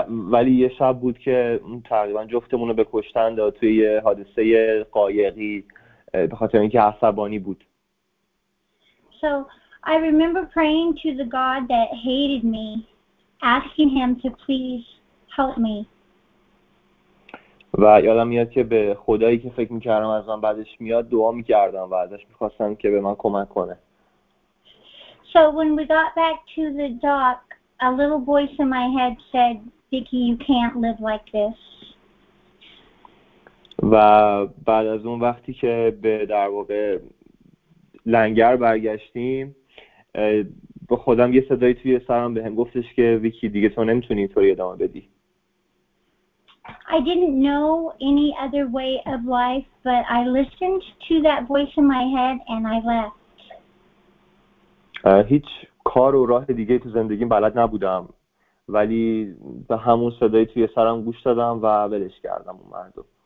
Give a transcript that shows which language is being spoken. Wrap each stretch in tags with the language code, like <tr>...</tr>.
<fa>ولی یه شب بود که تقریبا جفتمون رو به کشتن داد توی یه حادثه قایقی به خاطر اینکه عصبانی بود.</fa> <en>So I remember praying to the God that hated me, asking him to please help me.</en> <fa>و یادم میاد که به خدایی که فکر میکردم از من بعدش میاد دعا میکردم و ازش میخواستم که به من کمک کنه.</fa> <en>So when we got back to the dock, a little voice in my head said, Vicky, you can't live like this.</en> <fa>و بعد از اون وقتی که به در واقع لنگر برگشتیم به خودم یه صدایی توی سرم به هم گفتش که ویکی دیگه تو نمیتونی اینطوری ادامه بدی.</fa> <en>I didn't know any other way of life, but I listened to that voice in my head and I left.</en> <fa>هیچ کار و راه دیگه تو زندگیم بلد نبودم ولی به همون صدایی توی سرم گوش دادم و ولش کردم اون مردو.</fa>